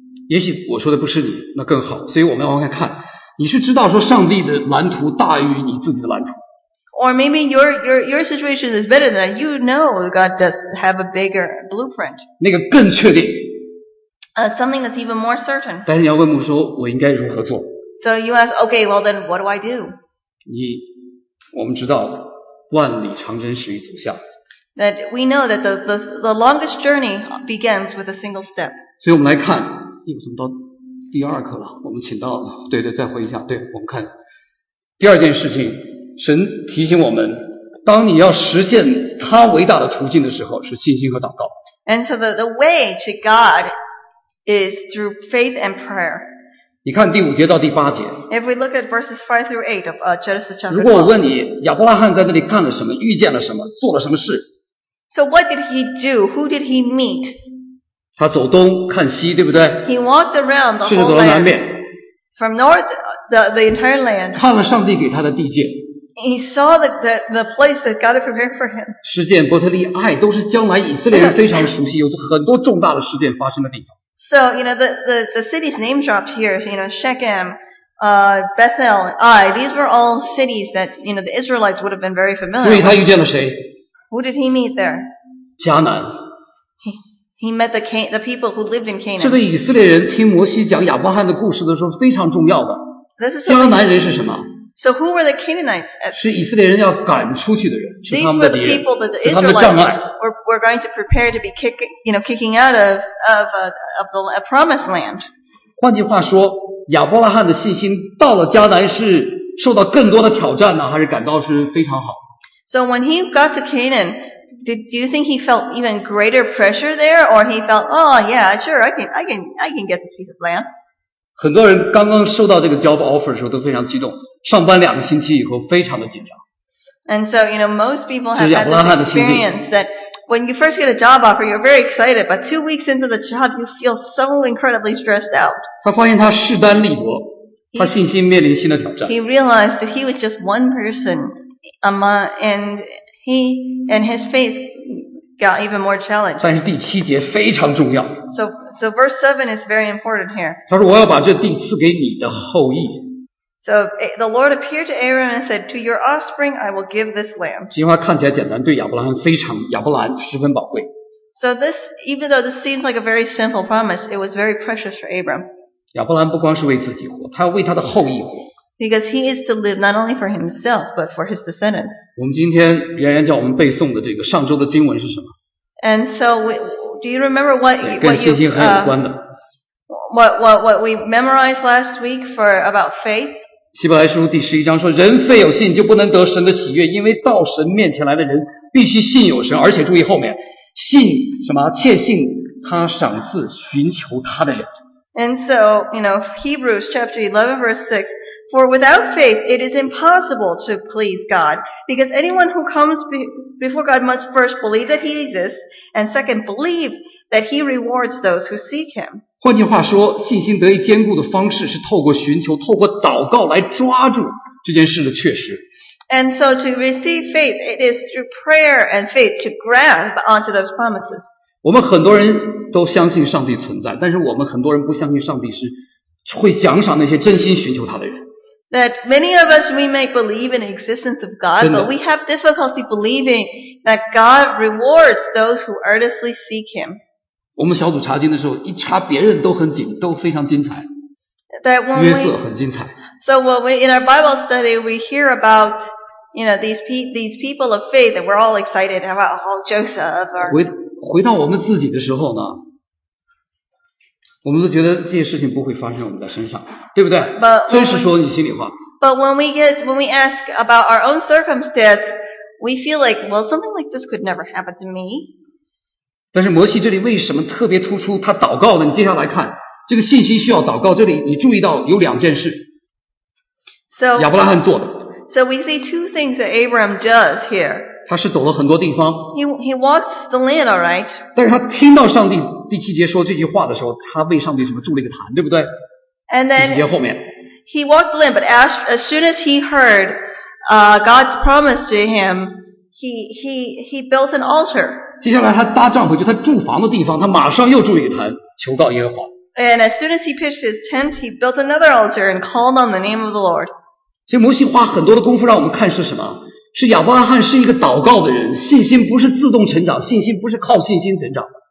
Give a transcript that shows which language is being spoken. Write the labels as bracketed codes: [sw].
[zh] 也许我说的不是你，那更好。所以我们往下看。你是知道说上帝的蓝图大于你自己的蓝图。 [en] Or maybe your situation is better than that. You know God does have a bigger blueprint. [zh] 那个更确定。 [en] Something that's even more certain. [zh] 但是你要问我说我应该如何做。 [en] So you ask, okay, well then what do I do? [zh] 我们知道万里长征始于足下。 [en] That we know that the longest journey begins with a single step. [zh] 所以我们来看有什么到。第二课了，我们请到对对，再回一下，对我们看第二件事情，神提醒我们，当你要实现他伟大的途径的时候，是信心和祷告。 [en] And so the way to God is through faith and prayer. [zh] 你看第五节到第八节。 [en] If we look at verses 5 through 8 of Genesis chapter 12. [zh] 如果我问你，亚伯拉罕在那里干了什么，遇见了什么，做了什么事 [en] ？So what did he do? Who did he meet? [zh] 他走东看西，对不对？ [en] He walked around the whole land. From north, the entire land. [zh] 看了上帝给他的地界。 [en] He saw the place that God had prepared for him. [zh] 事件伯特利爱都是将来以色列人非常熟悉，有很多重大的事件发生的地方。 [en] So, you know, the cities name dropped here, you know, Shechem, Bethel, Ai, these were all cities that, you know, the Israelites would have been very familiar. [zh] 所以他遇见了谁？ [en] Who did he meet there? [zh] 迦南。 [en] He met the people who lived in Canaan. [zh] 这对以色列人听摩西讲亚伯拉罕的故事的时候非常重要的。迦南人是什么？ [en] So who were the Canaanites? [zh] 是以色列人要赶出去的人，是他们的敌人。 [en] These were the people that the Israelites were going to prepare to be kicking out of the promised land. [zh] 换句话说，亚伯拉罕的信心到了迦南是受到更多的挑战呢，还是感到是非常好？ [en] So when he got to Canaan. Do you think he felt even greater pressure there, or he felt, oh yeah, sure, I can get this piece of land? [zh] 很多人刚刚收到这个 [en] job offer [zh] 的时候都非常激动，上班两个星期以后非常的紧张。 [en] And so, you know, most people have had this experience that when you first get a job offer, you're very excited, but 2 weeks into the job, you feel so incredibly stressed out. [zh] 他发现他势单力薄，他信心面临新的挑战。 [en] He realized that he was just one person, and his faith got even more challenged. [zh] 但是第七节非常重要。 [en] So verse 7 is very important here. [zh] 他说我要把这地赐给你的后裔。 [en] So the Lord appeared to Aaron and said, to your offspring I will give this land. [zh] 这句话看起来简单，对亚伯拉罕非常，亚伯拉罕十分宝贵。 [en] So this, even though this seems like a very simple promise, it was very precious for Abram. [zh] 亚伯拉罕不光是为自己活，他要为他的后裔活。 [en] Because he is to live not only for himself, but for his descendants. [zh] 我们今天圆圆叫我们背诵的这个上周的经文是什么？ [en] And so, do you remember what you, [zh] 跟信心很有关的。 [en] What we memorized last week for about faith? [zh] 希伯来书第十一章说，人非有信就不能得神的喜悦，因为到神面前来的人必须信有神，而且注意后面，信什么？切信他赏赐寻求他的人。 [en] And so, you know, Hebrews chapter 11 verse 6, for without faith it is impossible to please God, because anyone who comes before God must first believe that he exists, and second, believe that he rewards those who seek him. [zh] 换句话说，信心得以坚固的方式是透过寻求，透过祷告来抓住这件事的确实。 [en] And so to receive faith, it is through prayer and faith to grab onto those promises. [zh] 我们很多人都相信上帝存在，但是我们很多人不相信上帝是会奖赏那些真心寻求他的人。 [en] That many of us we may believe in the existence of God, but we have difficulty believing that God rewards those who earnestly seek Him. [zh] 我们小组查经的时候，一查别人都很紧，都非常精彩。 [en] That when we [zh] 约瑟很精彩。 [en] So when we in our Bible study we hear aboutYou know, these people of faith that we're all excited about, all Joseph. [zh] 回到我们自己的时候呢，我们都觉得这些事情不会发生我们在身上，对不对？ [en] But [zh] 真是说你心里话。 [en] But when we ask about our own circumstance, we feel like, well, something like this could never happen to me. [zh] 但是摩西这里为什么特别突出他祷告呢？你接下来看，这个信心需要祷告。这里你注意到有两件事， [en] so, [zh] 亚伯拉罕做的。 [en] So we see two things that Abraham does here. [zh] 他是走了很多地方。 [en] He walks the land, all right. [zh] 但是他听到上帝第七节说这句话的时候，他为上帝什么筑了一个坛，对不对？ [en] And then, [zh] 第七节后面。 [en] He walked the land, but as soon as he heard, God's promise to him, he built an altar. [zh] 接下来他搭帐篷，就他住房的地方，他马上又筑了一个坛，求告耶和华。 [en] And as soon as he pitched his tent, he built another altar and called on the name of the Lord. [zh] 所以摩西花很多的功夫让我们看是什么？是亚伯拉罕是一个祷告的人，信心不是自动成长，信心不是靠信心成长的。